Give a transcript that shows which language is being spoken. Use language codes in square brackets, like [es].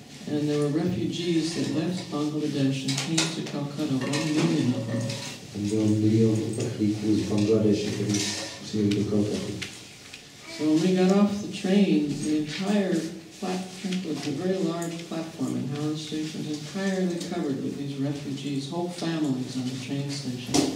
[en] And there were refugees that left Bangladesh and came to Calcutta, 1 million of them. [cs] Tam bylo milion uprchlíků z Bangladeše, kteří přijeli do Calcutty. [en] So when we got off the train, the entire platform was a very large platform in Howard Station, entirely covered with these refugees, whole families on the train station.